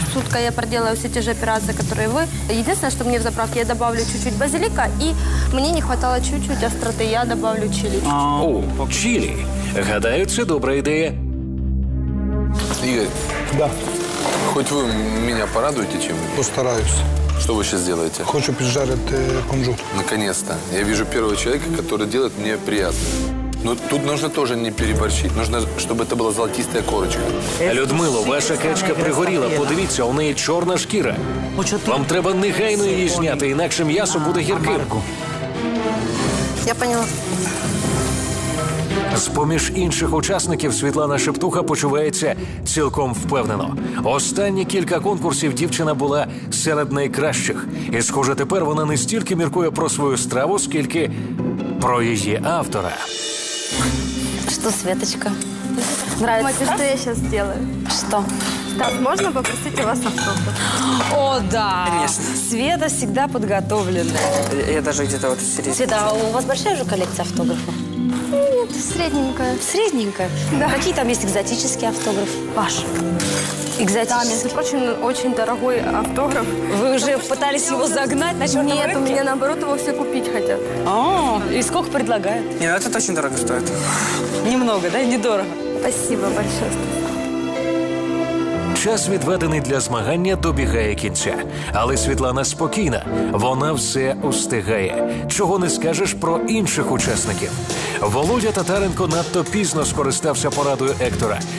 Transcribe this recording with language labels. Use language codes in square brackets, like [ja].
[uk] Сутка я проделаю все те же операції, які ви. Единственное, що мені в заправці, я добавлю чуть-чуть базиліка, і мені не хватало чуть-чуть остроти, я добавлю чилі. О, чилі. Гадаю, це добра ідея. Ігор. [ru] Да. [uk] Хоч ви мене порадуєте чим-небудь? Постараюся. [ru] Что вы сейчас делаете? Хочу поджарить кунжут. Наконец-то. Я вижу первого человека, который делает мне приятно. Ну, тут нужно тоже не переборщить. Нужно, чтобы это была золотистая корочка. [uk] Людмило, ваша качка пригорела. Подивіться, у неї чорна шкіра. Вам треба негайно її зняти, інакше м'ясо буде гірким. [ru] Я поняла. [uk] З-поміж інших учасників Світлана Шептуха почувається цілком впевнено. Останні кілька конкурсів дівчина була серед найкращих. І, схоже, тепер вона не стільки міркує про свою страву, скільки про її автора. [ru] Что, Светочка? Нравится? Мать, что я сейчас сделаю? Что? Так, можно попросить у вас автограф? О, да! Конечно. Света всегда подготовленная. Я даже где-то вот в середине. Света, а у вас большая же коллекция автографов? Нет, средненькая. Средненькая? Да. Какие там есть экзотические автографы? Ваш. Экзотический. Да, между прочим, очень дорогой автограф. Вы уже пытались его загнать на чертом рынке? Нет, у меня наоборот его все купить хотят. О, и сколько предлагают? Не, ну этот очень дорого стоит. Немного, да, недорого. Спасибо большое. [uk] Час, відведений для змагання, добігає кінця. Але Світлана спокійна. Вона все устигає. Чого не скажеш про інших учасників. Володя Татаренко надто пізно скористався порадою Ектора.